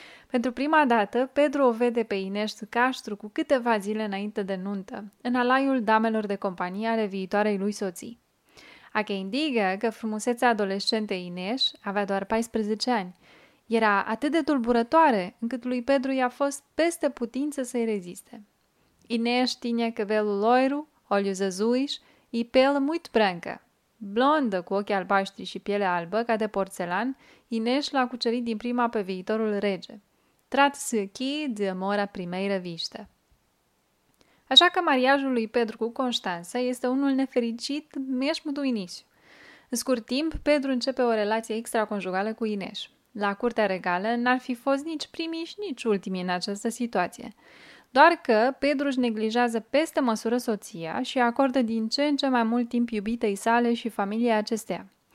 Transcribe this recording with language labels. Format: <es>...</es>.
<ro>Pentru prima dată, Pedro o vede pe Inês de Castro cu câteva zile înainte de nuntă, în alaiul damelor de companie ale viitoarei lui soții. A că indică că frumusețea adolescentei Inês avea doar 14 ani, era atât de tulburătoare încât lui Pedro i-a fost peste putință să-i reziste.</ro> <pt>Inês tinha cabelo loiro, olhos azuis e pele muito branca.</pt> <ro>Blondă, cu ochii albaștri și piele albă, ca de porțelan, Inês l-a cucerit din prima pe viitorul rege.</ro> <pt>Trate-se aqui de amor à primeira vista.</pt> <ro>Așa că mariajul lui Pedro cu Constanța este unul nefericit,</ro> <pt>mesmo do início.</pt> <ro>În scurt timp, Pedro începe o relație extraconjugală cu Inês. La curtea regală n-ar fi fost nici primii și nici ultimii în această situație. Doar că Pedro își neglijează peste măsură soția și acordă din ce în ce mai mult timp iubitei sale și familiei acesteia.</ro>